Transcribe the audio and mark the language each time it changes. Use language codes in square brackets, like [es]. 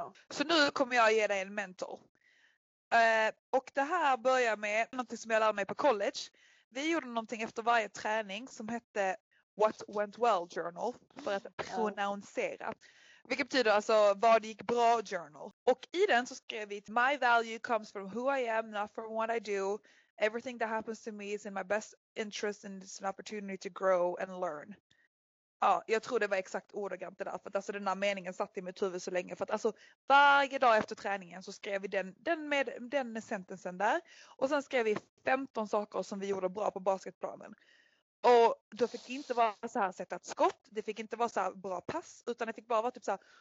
[sv] så nu kommer jag ge dig en mentor. Och det här börjar med någonting som jag lärde mig på college. Vi gjorde någonting efter varje träning som hette [en] What Went Well Journal. [sv] För att pronouncera. Vilket betyder alltså vad gick bra journal. Och i den så skrev vi [en] my value comes from who I am, not from what I do. Everything that happens to me is in my best interest and it's an opportunity to grow and learn. [sv] Ja, jag tror det var exakt ordagrant det där. För att alltså den här meningen satt i mitt huvud så länge. För att alltså varje dag efter träningen så skrev vi den sentensen där. Och sen skrev vi 15 saker som vi gjorde bra på basketplanen. Och då fick det inte vara så här sätta ett skott. Det fick inte vara så här bra pass. Utan det fick bara vara typ så här.